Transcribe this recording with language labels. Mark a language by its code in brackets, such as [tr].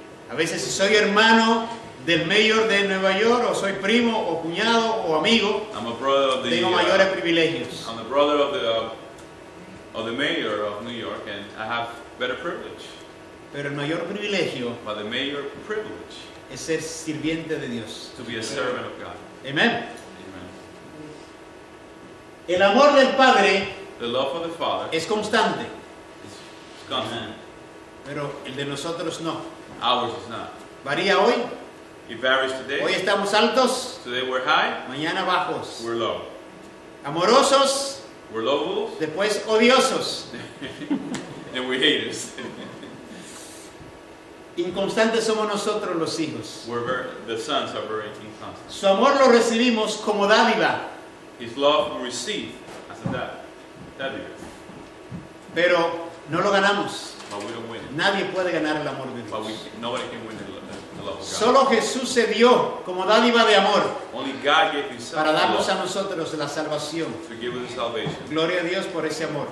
[es] A veces si soy hermano del mayor de Nueva York, o soy primo, o cuñado, o amigo, [en] I'm a brother of the, [es] tengo mayores privilegios. [en] I'm the brother of the mayor of New York, and I have better privilege. [es] Pero el mayor privilegio, [en] but the major privilege, [es] es ser sirviente de Dios. [en] To be a servant of God. [es] Amen. [en] Amen. [es] El amor del Padre, [en] the love of the Father, [es] es constante. [en] It's constant. [es] Pero el de nosotros no. [en] Ours is not. [es] ¿Varía hoy? [en] It varies today. [es] Hoy estamos altos. [en] Today we're high. [es] Mañana bajos. [en] We're low. [es] Amorosos. [en] We're lovables. [es] Después odiosos. [en] And we're haters. [es] Inconstantes somos nosotros los hijos. [en] The sons are very inconstant. [es] Su amor lo recibimos como dádiva. [en] His love we receive as a dádiva. [es] Pero no lo ganamos. [en] But we don't win it. [es] Nadie puede ganar el amor de Dios. [en] But nobody can win it. [es] Solo Jesús se dio como dádiva de amor. [en] Only God gave himself [es] para darnos a nosotros la salvación. [en] To give us salvation. [es] Gloria a Dios por ese amor.